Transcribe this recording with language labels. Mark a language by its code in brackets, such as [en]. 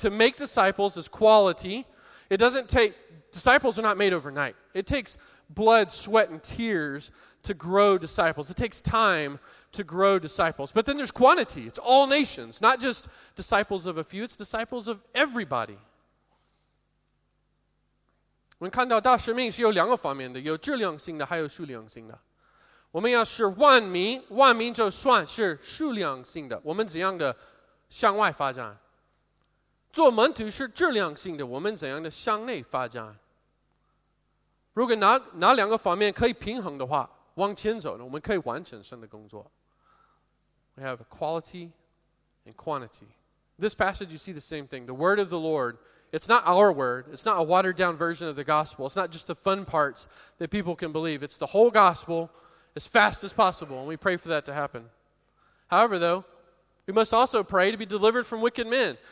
[en] To make disciples is quality. It doesn't take, disciples are not made overnight. It takes blood, sweat, and tears to grow disciples. It takes time to grow disciples. But then there's quantity. It's all nations, not just disciples of a few. It's disciples of everybody. [zh] 我们看到大使命是有两个方面的，有质量性的，还有数量性的。我们要是万民，万民就算是数量性的。我们怎样的向外发展？做门徒是质量性的，我们怎样的向内发展。如果哪两个方面可以平衡的话，往前走呢，我们可以完成神的工作。 [en] We have quality and quantity. This passage, you see the same thing. The word of the Lord, it's not our word. It's not a watered down version of the gospel. It's not just the fun parts that people can believe. It's the whole gospel as fast as possible. And we pray for that to happen. However, though, we must also pray to be delivered from wicked men.